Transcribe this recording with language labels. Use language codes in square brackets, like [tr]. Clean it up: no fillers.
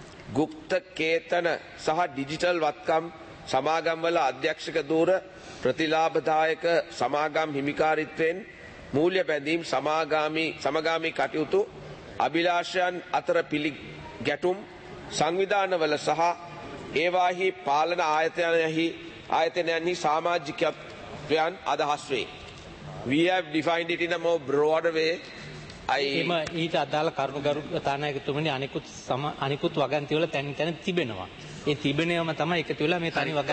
[si] ගුප්ත කේතන සහ ඩිජිටල් වත්කම් සමාගම්වල අධ්‍යක්ෂක ධූර ප්‍රතිලාභදායක සමාගම් හිමිකාරීත්වයෙන් මූල්‍ය බැඳීම් සමගාමි කටයුතු අභිලාෂයන් අතර පිළිගැටුම් සංවිධානවල සහ ඒවාහි පාලන ආයතනයන්හි සමාජිකත්වයන් අදහස් වේ. [en] We have defined it in a more broader way. [si] එම ඊට අදාළ කරුණු කතානායකතුමනි අනිකුත් වගන්ති වල තැන් තැන් තිබෙනවා. ඒ තිබෙනවම තමයි එකතු වෙලා මේ තනි වගන්ති